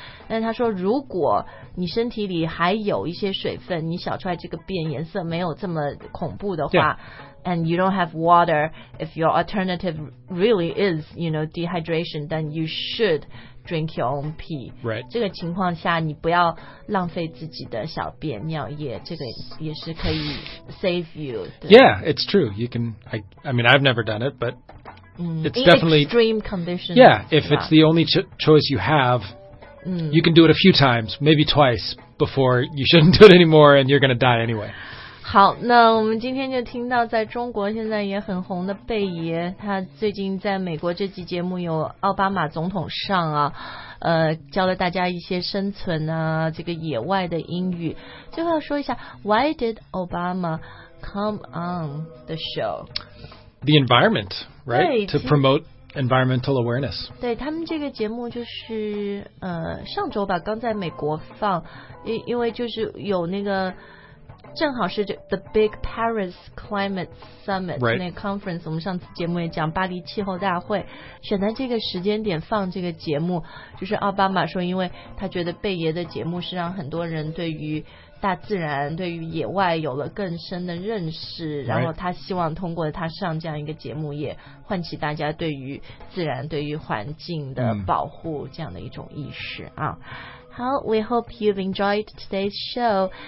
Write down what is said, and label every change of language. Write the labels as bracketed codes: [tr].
[zh] 但他说如果你身体里还有一些水分你小出来这个便颜色没有这么恐怖的话、 [en] yeah. and you don't have water if your alternative really is you know dehydration then you shouldDrink your own pee. Right. [zh] 这个情况下，你不要浪费自己的小便尿液，这个也是可以 [en] save you. Yeah, it's true. You can. I mean, I've never done it, but it's in definitely extreme conditions. Yeah, if it's the only choice you have, you can do it a few times, maybe twice before you shouldn't do it anymore, and you're going to die anyway. [zh] 好，那我们今天就听到在中国现在也很红的贝爷，他最近在美国这期节目有奥巴马总统上啊，教了大家一些生存啊，这个野外的英语。最后要说一下 [en] ，Why did Obama come on the show? The environment, right? To promote environmental awareness. [zh] 对他们这个节目就是上周吧，刚在美国放，因为就是有那个。正好是 [en] the Big Paris Climate Summit、 right. [zh] 那个 conference 我们上次节目也讲巴黎气候大会选在这个时间点放这个节目就是奥巴马说因为他觉得贝爷的节目是让很多人对于大自然对于野外有了更深的认识然后他希望通过他上这样一个节目也唤起大家对于自然对于环境的保护这样的一种意识啊好 [en] we hope you've enjoyed today's show.